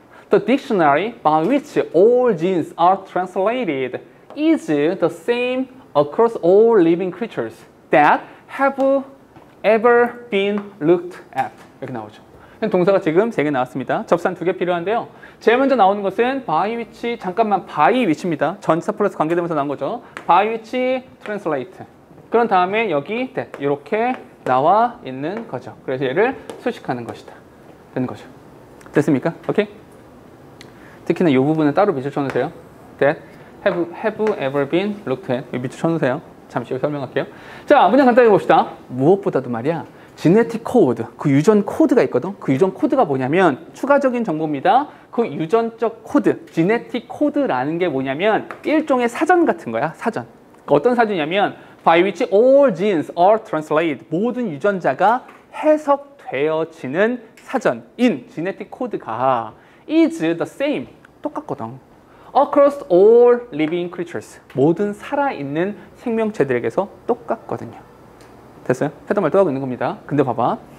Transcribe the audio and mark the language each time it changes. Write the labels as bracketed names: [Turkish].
[English] The dictionary by which all genes are translated is the same across all living creatures that have ever been looked at. [Korean] 이렇게 나오죠. 동사가 지금 3개 나왔습니다. 접산 2개 필요한데요. 제일 먼저 나오는 것은 by which, 잠깐만 by which입니다. 전치사 플러스 관계대명사 나온 거죠. [English] by which translate. [Korean] 그런 다음에 여기 that 이렇게 나와 있는 거죠. 그래서 얘를 수식하는 것이다. 되는 거죠. 됐습니까? 오케이? 특히나 이 부분은 따로 밑줄 쳐놓으세요. [English] that have ever been looked at. [Korean] 밑줄 쳐놓으세요. [English] 잠시 후 설명할게요. [Korean] 자, 문장 간단히 봅시다. 무엇보다도 말이야. 지네틱 코드, 그 유전 코드가 있거든. 그 유전 코드가 뭐냐면 추가적인 정보입니다. 그 유전적 코드, 지네틱 코드라는 게 뭐냐면 일종의 사전 같은 거야. 사전. 어떤 사전이냐면 [English] by which all genes are translated. [Korean] 모든 유전자가 해석되어지는 사전. [English] in [Korean] 지네틱 코드가 [English] is the same. [Korean] 똑같거든. [English] across all living creatures. [Korean] 모든 살아있는 생명체들에게서 똑같거든요. 됐어요? 했던 말 또 하고 있는 겁니다. 근데 봐봐.